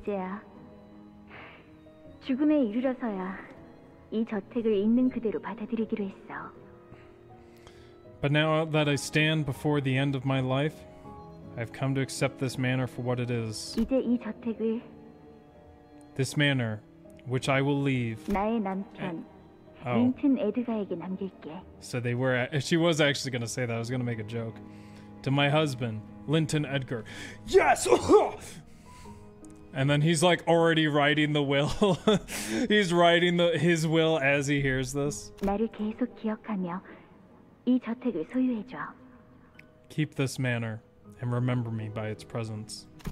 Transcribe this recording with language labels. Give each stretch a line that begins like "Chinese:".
Korean: 이제야 죽음에 이르러서야 이 저택을 있는 그대로 받아들이기로 했어.
English: But now that I stand before the end of my life, I've come to accept this manor for what it is.
Korean: 이제 이 저택을
English: This manor, which I will leave.
Korean: 나의 남편, oh. 린튼 에드가에게 남길게.
English: So they were, she was actually going to say that, I was going to make a joke. To my husband, Linton Edgar. Yes! And then he's like already writing the will. He's writing his will as he hears this.
Korean: 나를 계속 기억하며 이 저택을 소유해줘.
English: Keep this manor and remember me by its presence.